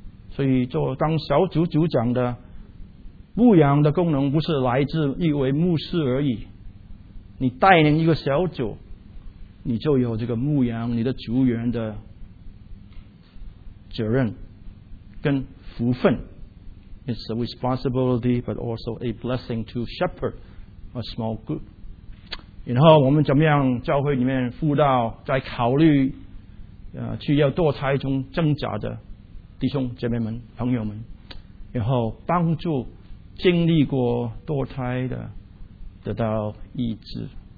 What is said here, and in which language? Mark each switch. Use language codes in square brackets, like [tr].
[zh] 所以做当小组组长的牧养的功能不是来自一位牧师而已，你带领一个小组，你就有这个牧养你的组员的责任跟福分。 [en] It's a responsibility but also a blessing to shepherd a small group。 [zh] 然后我们怎么样教会里面辅导在考虑去要堕胎中挣扎的弟兄姐妹们朋友们，然后帮助经历过堕胎的得到医治。